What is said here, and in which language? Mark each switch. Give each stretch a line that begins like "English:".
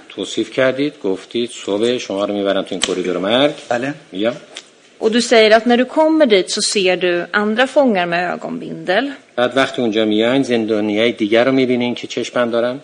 Persian: توصیف کردید گفتید صبح شما رو میبرن تو این کوریدور مرگ. بله.
Swedish: Ja. Och du säger att när du kommer dit så ser du andra fångar med ögonbindel.
Persian: بعد وقتی اونجا میایین زندانیای دیگر رو میبینین که چشمند دارن.